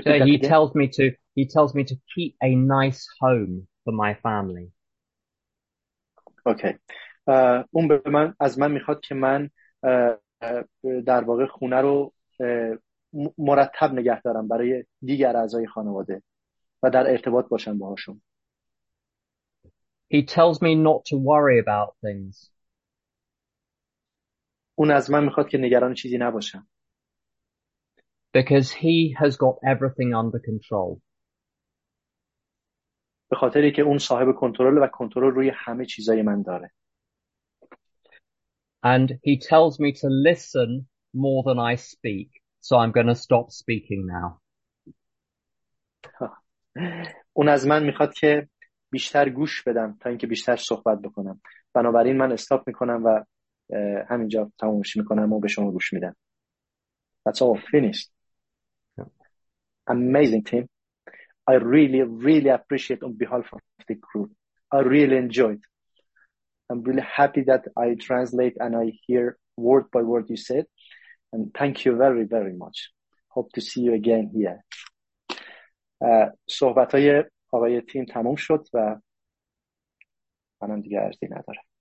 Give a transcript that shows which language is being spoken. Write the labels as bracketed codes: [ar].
[en] He tells me to keep a nice home for my family. Okay. [fa] اون به من از من میخواد که من در واقع خونه رو مرتب نگه دارم برای دیگر اعضای خانواده و در ارتباط باشم باهاشون. [en] He tells me not to worry about things. [fa] اون از من میخواد که نگران چیزی نباشم. [en] Because he has got everything under control. [fa] به خاطر اینکه اون صاحب کنترل و کنترل روی همه چیزای من داره. [en] And he tells me to listen more than I speak, so I'm going to stop speaking now. [fa] اون از من میخواد که بیشتر گوش بدم تا اینکه بیشتر صحبت بکنم. بنابراین من استاپ میکنم و همینجا تمومش میکنم و به شما گوش میدم. [en] That's all finished. Amazing, Tim. I really, really appreciate on behalf of the crew. I really enjoyed. I'm really happy that I translate and I hear word by word you said. And thank you very, very much. Hope to see you again here. [fa] صحبت های آقای تیم تموم شد و منم دیگه عرضی ندارم.